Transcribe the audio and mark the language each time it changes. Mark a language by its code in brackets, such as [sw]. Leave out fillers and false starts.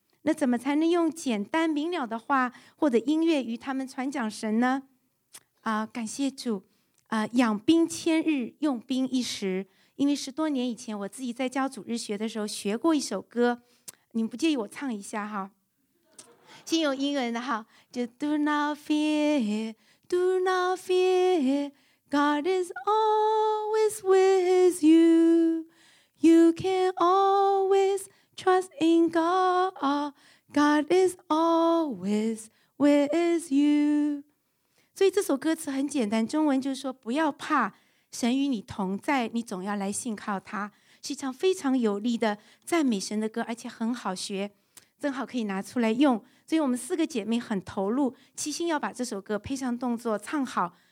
[zh] 那怎么才能用简单明了的话或者音乐与他们传讲神呢？感谢主养兵千日用兵一时。因为十多年以前我自己在教主日学的时候学过一首歌，你们不介意我唱一下哈？先用英文的哈，就 [en] Do not fear, Do not fear, God is always with you, You can always trust in God, God is always with you。 [zh] 所以这首歌词很简单，中文就是说不要怕，神与你同在，你总要来信靠他。是一场非常有力的赞美神的歌，而且很好学，正好可以拿出来用。所以我们四个姐妹很投入，齐心要把这首歌配上动作唱好。